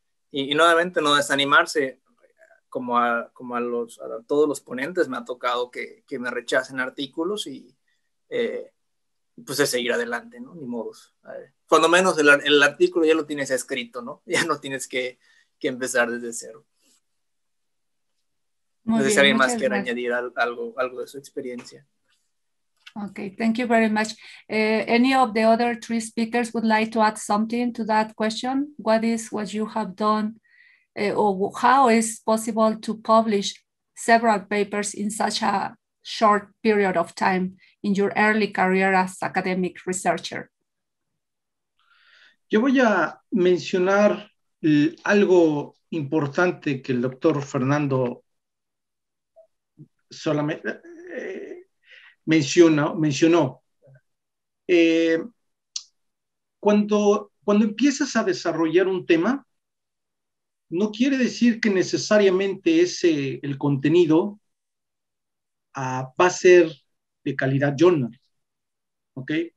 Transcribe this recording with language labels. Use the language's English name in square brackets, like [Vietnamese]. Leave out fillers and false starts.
[Spanish] Y nuevamente no desanimarse. Como a todos los ponentes, me ha tocado que me rechacen artículos y pues es seguir adelante, ¿no? Ni modos. Cuando menos el artículo ya lo tienes escrito, ¿no? Ya no tienes que empezar desde cero. Muy no sé bien, si alguien más quiere añadir algo de su experiencia. [English] Okay, thank you very much. Any of the other three speakers would like to add something to that question? What is what you have done, or how is possible to publish several papers in such a short period of time in your early career as academic researcher? [Spanish] Yo voy a mencionar algo importante que el doctor Fernando solamente mencionó. Cuando empiezas a desarrollar un tema, no quiere decir que necesariamente ese el contenido va a ser de calidad journal, ¿ok?